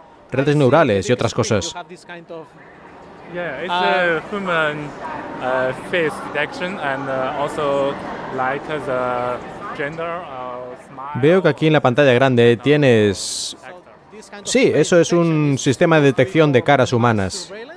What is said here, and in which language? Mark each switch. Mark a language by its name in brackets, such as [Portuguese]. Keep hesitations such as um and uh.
[Spanish] Redes neurales y otras cosas. [English] Yeah, it's uh, human uh, face detection and uh, also like the gender or smile. [Spanish] Veo que aquí en la pantalla grande tienes... Sí, eso es un sistema de detección de caras humanas.